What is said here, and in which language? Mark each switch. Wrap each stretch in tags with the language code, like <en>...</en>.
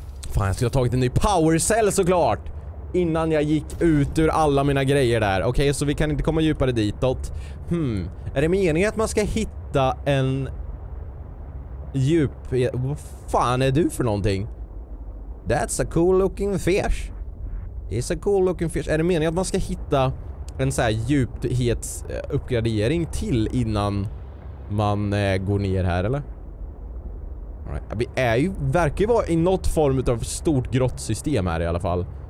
<sv>Fan, jag skulle ha tagit en ny power cell såklart. Innan jag gick ut ur alla mina grejer där. Okej, så vi kan inte komma djupare ditåt. Hmm. Är det meningen att man ska hitta en... djup... Vad fan är du för någonting?</sv> <en>That's a cool looking fish. It's a cool looking fish.</en> <sv>Är det meningen att man ska hitta en så här djuphetsuppgradering till innan man går ner här, eller? All right. Vi är ju, verkar ju vara i något form av stort grottsystem här i alla fall.</sv>